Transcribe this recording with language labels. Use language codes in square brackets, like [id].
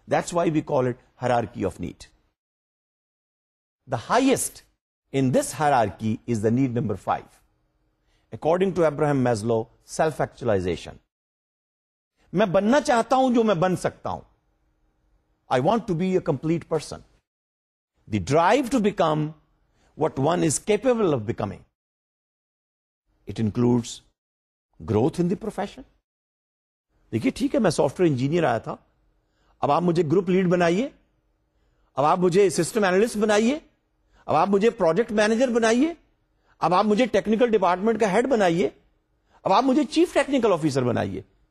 [en] That's why we call it hierarchy of need. The highest in this hierarchy is the need number five according to Abraham Maslow self actualization. [ur] میں بننا چاہتا ہوں جو میں بن سکتا ہوں. [en] I want to be a complete person. The drive to become what one is capable of becoming. It includes growth in the profession. [ur] دیکھیے ٹھیک ہے میں سافٹ ویئر انجینئر آیا تھا, اب آپ مجھے گروپ لیڈ بنائیے, اب آپ مجھے سسٹم اینالسٹ بنائیے, اب آپ مجھے پروجیکٹ مینیجر بنائیے, اب آپ مجھے ٹیکنیکل ڈپارٹمنٹ کا ہیڈ بنائیے, اب آپ مجھے چیف ٹیکنیکل آفیسر بنائیے.